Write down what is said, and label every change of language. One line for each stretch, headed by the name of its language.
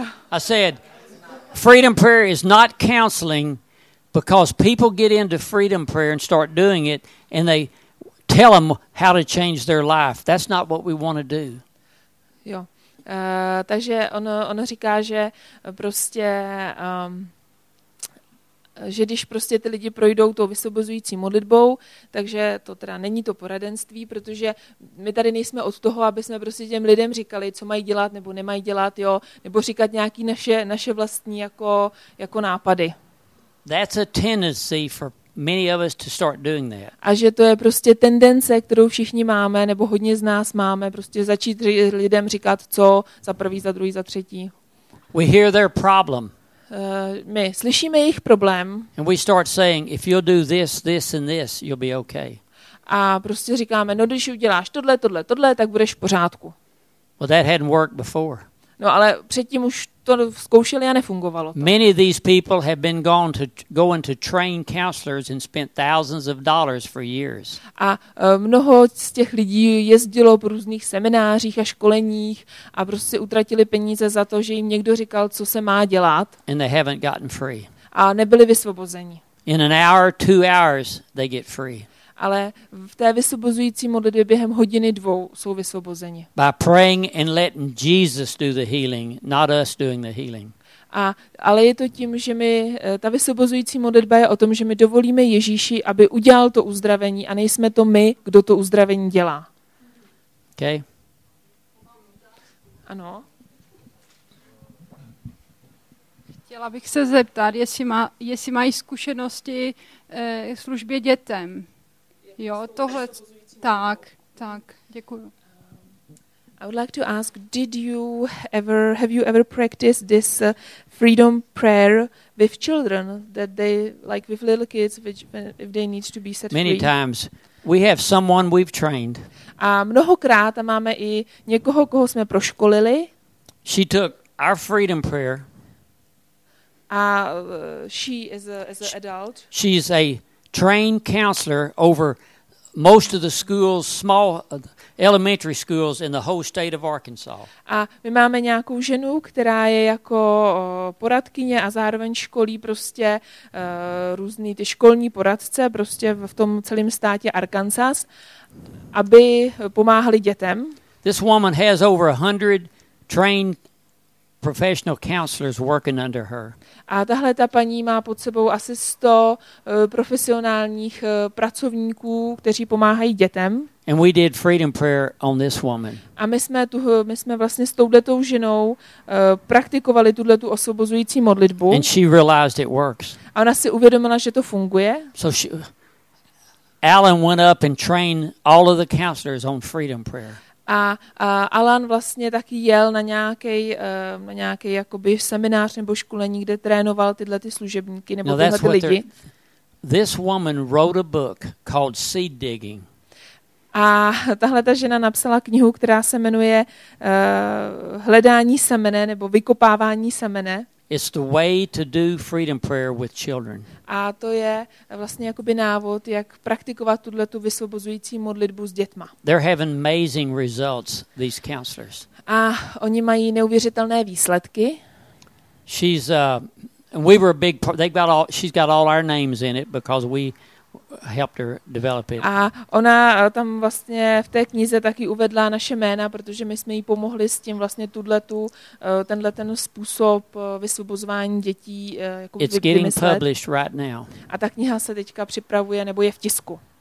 English: I said, freedom prayer is not counseling because people get into freedom prayer and start doing it and they tell them how to change their life. That's not what we want to do.
Czech: Jo. Takže on říká, že prostě že když prostě ty lidi projdou tou vysvobozující modlitbou, takže to teda není to poradenství, protože my tady nejsme od toho, aby jsme prostě těm lidem říkali, co mají dělat nebo nemají dělat, jo, nebo říkat nějaký naše vlastní jako nápady.
English: That's a tendency for many of us to start doing that.
Czech: A že to je prostě tendence, kterou všichni máme, nebo hodně z nás máme, prostě začít lidem říkat, co za prvý, za druhý, za třetí.
English: We hear their problem.
Czech: my slyšíme jejich problém.
English: And we start saying, if you'll do this, this and this, you'll be okay.
Czech: A prostě říkáme, no když uděláš tohle, tohle, tohle, tak budeš v pořádku.
English: Well, that hadn't worked before.
Czech: No, ale předtím už to zkoušeli a nefungovalo to.
English: Many of these people have been gone to go into trained counselors and spent thousands of dollars for years.
Czech: A mnoho z těch lidí jezdilo po různých seminářích a školeních a prostě utratili peníze za to, že jim někdo říkal, co se má dělat.
English: And they haven't gotten free.
Czech: A nebyli vysvobozeni.
English: In an hour, two hours, they get free.
Czech: Ale v té vysvobozující modlitbě během hodiny dvou jsou vysvobozeni.
English: By praying and letting Jesus do the healing, not us doing the healing.
Czech: Ale je to tím, že my, ta vysvobozující modlitba je o tom, že my dovolíme Ježíši, aby udělal to uzdravení a nejsme to my, kdo to uzdravení dělá.
English: Okay.
Czech: Ano. Chtěla bych se zeptat, jestli mají zkušenosti službě dětem. Jo, tohle, tak, děkuju.
English: I would like to ask, have you ever practiced this freedom prayer with children, that they, like with little kids, which, if they need to be set Many Many times. We have someone we've trained.
Czech: A mnohokrát máme i někoho, koho jsme proškolili.
English: She took our freedom prayer. A she is an adult. She's a trained counselor over most of the schools, small elementary schools in the whole state of Arkansas.
Czech: A my máme nějakou ženu, která je jako poradkyně a zároveň školí prostě různý ty školní poradce prostě v tom celém státě Arkansas, aby pomáhali dětem.
English: This woman has over 100 trained professional counselors working under her.
Czech: A tahle ta paní má pod sebou asi 100 profesionálních pracovníků, kteří pomáhají dětem.
English: And we did freedom prayer on this woman.
Czech: A my jsme vlastně s touhletou ženou praktikovali tuhletu osvobozující modlitbu.
English: And she realized it works.
Czech: A ona si uvědomila, že to funguje.
English: So Alan went up and trained all of the counselors on freedom prayer.
Czech: A Alan vlastně taky jel na nějaký jakoby seminář nebo školení, kde trénoval tyhle ty služebníky nebo tyhle ty lidi.
English: This woman wrote a book called Seed Digging.
Czech: A tahle ta žena napsala knihu, která se jmenuje Hledání semene nebo Vykopávání semene.
English: It's the way to do freedom prayer with children.
Czech: A to je vlastně jakoby návod, jak praktikovat tuhle tu vysvobozující modlitbu s dětma.
English: They're having amazing results, these counselors.
Czech: A oni mají neuvěřitelné výsledky.
English: She's we were a big part, she's got all our names in it because we helped her develop it.
Czech: A ona tam vlastně v té knize taky uvedla naše jména, protože my jsme jí pomohli s tím vlastně tenhle způsob vysvobozování dětí jako
English: It's getting published right now.
Czech: A ta kniha se teďka připravuje nebo je v tisku.